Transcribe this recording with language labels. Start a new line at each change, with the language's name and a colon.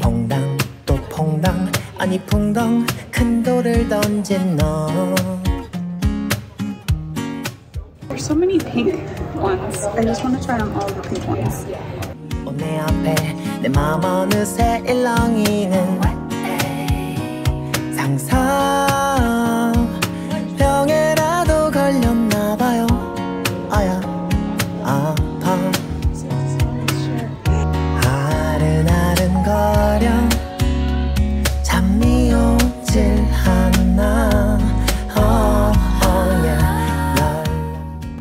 Korean: 퐁당 또 퐁당 아니 퐁당 큰 돌을 던진 너.
English: There's so many pink ones. I just want to try on all the pink ones.
Korean: 내 앞에 내 마음 어느새 일렁이는 상상 병에라도 걸렸나 봐요 아야 아파 아른아른 거려 잠이 오질 않아 oh, oh, yeah.